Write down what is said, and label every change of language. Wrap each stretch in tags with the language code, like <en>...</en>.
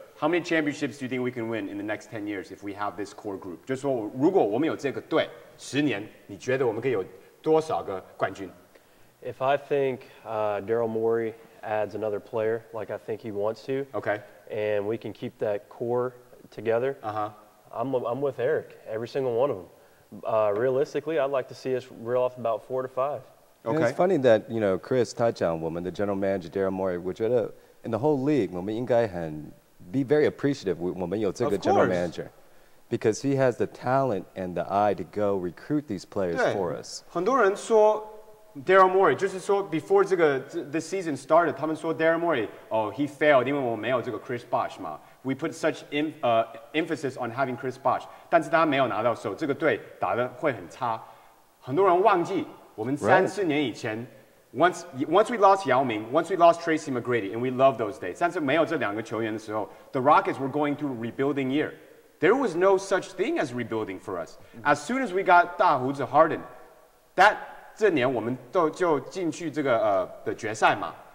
<en>How many championships do you think we can win in the next 10 years if we have this core group?</en> <zh>就是说，如果我们有这个队，十年，你觉得我们可以有多少个冠军？</zh> <en>If I think Daryl Morey adds another player, like I think he wants to, okay, and we can keep that core together, I'm with Eric. Every single one of them. Realistically, I'd like to see us reel off about 4 to 5. Okay. It's funny that, you know, Chris,</en> <zh>他讲我们的</zh> <en>general manager, Daryl Morey,</en> <zh>我觉得</zh> <en>in the whole league,</en> <zh>我们应该很</zh> <en>be very appreciative</en> <zh>我们有这个</zh> <en>general manager. Because he has the talent and the eye to go recruit these players for us.</en> <zh>很多人说 Daryl Morey, 就是说</zh> <en>before this season started,</en> <zh>他们说 Daryl Morey,</zh> <en>oh, he failed,</en> <zh>因为我们没有这个 Chris Bosh 嘛。</zh> <en>We put such emphasis on having Chris Bosh.</en> <zh>但是他没有拿到手，这个队打得会很差。很多人忘记，我们三四年以前、</zh> <en>once we lost Yao Ming, once we lost Tracy McGrady, and we love those days,</en> <zh>但是没有这两个球员的时候</zh> <en>the Rockets were going through rebuilding year. There was no such thing as rebuilding for us. As soon as we got 大胡子 Harden, that</en> <zh>这年我们都就进去这个的决赛嘛。</zh>